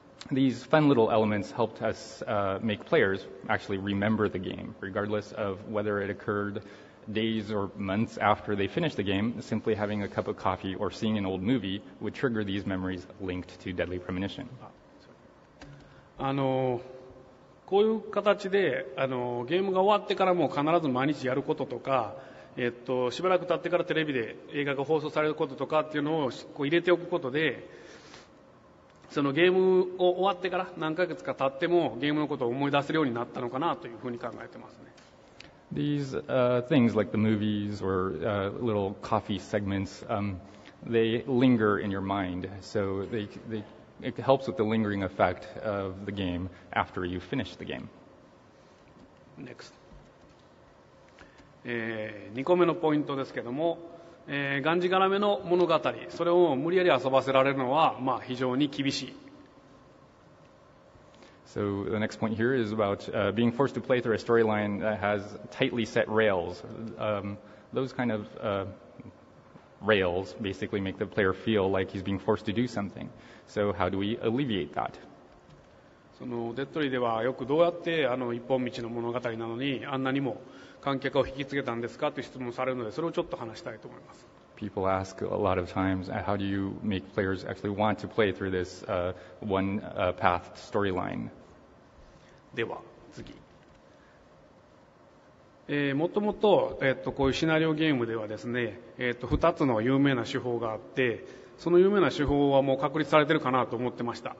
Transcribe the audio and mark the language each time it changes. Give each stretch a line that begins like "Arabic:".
English: These fun little elements helped us make players actually remember the game, regardless of whether it occurred days or months after they finished the game. Simply having a cup of coffee or seeing an old movie would trigger these memories linked to Deadly Premonition.
Japanese: こういう形でゲームが終わってからも必ず毎日やることとか、しばらく経ってからテレビで映画が放送されることとかっていうのをこう入れておくことで、そのゲームを終わってから何ヶ月か経ってもゲームのことを思い出せるようになったのかなというふうに考えてますね。
English: These things like the movies or little coffee segments, they linger in your mind, so they... It helps with the lingering effect of the game after you finish the game. Next.
Japanese: 2個目のポイントですけども、がんじがらめの物語、それを無理やり遊ばせられるのは、まあ、非常に厳しい。
English: So the next point here is about being forced to play through a storyline that has tightly set rails. Those kind of rails basically make the player feel like he's being forced to do something. So how do we alleviate that?
Japanese: そのデッドリーではよくどうやってあの一本道の物語なのにあんなにも観客を引きつけたんですかという質問されるので、それをちょっと話したいと思います。
English: People ask a lot of times, how do you make players actually want to play through this one path storyline?
Japanese: では次、もともと、こういうシナリオゲームではですね、2つの有名な手法があって、その有名な手法はもう確立されているかなと思ってました。